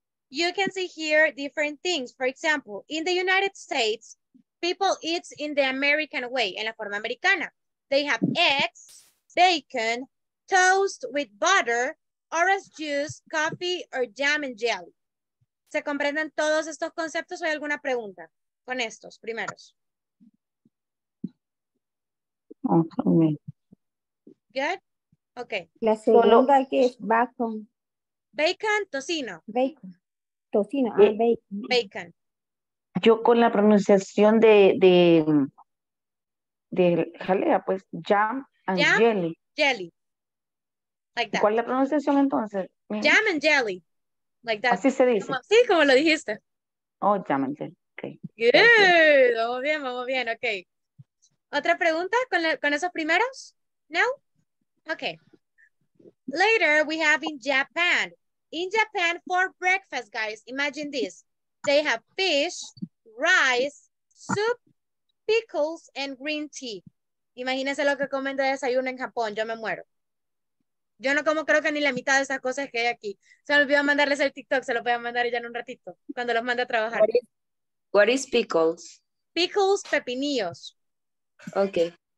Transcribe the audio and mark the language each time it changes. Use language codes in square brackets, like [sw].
[en] You can see here different things. For example, in the United States, people eat in the American way, [es] en la forma americana. [en] They have eggs, bacon, toast with butter, orange juice, coffee, or jam and jelly. [es] ¿Se comprenden todos estos conceptos o hay alguna pregunta con estos primeros? [en] Okay. Good? Okay. [es] La segunda que es bacon. Bacon, tocino. [en] Bacon. Tocino. Bacon. [es] Yo con la pronunciación de jalea, pues, jam and [en] jam, jelly. Jelly. Like that. [es] ¿Cuál es la pronunciación entonces? [en] Jam and jelly. Like that. [es] Así se dice. Como, sí, como lo dijiste. [en] Oh, jam and jelly. Okay. [es] Good. Vamos bien, vamos bien. Ok. ¿Otra pregunta con esos primeros? No? Ok. [en] Later, we have in Japan. In Japan, for breakfast, guys, imagine this. They have fish, rice, soup, pickles, and green tea. [es] Imagínense lo que comen de desayuno en Japón. Yo me muero. Yo no como creo que ni la mitad de esas cosas que hay aquí. Se me olvidó mandarles el TikTok. Se lo voy a mandar ya en un ratito. Cuando los mande a trabajar. [en] What is pickles? [es] Pickles, pepinillos. [en] Ok.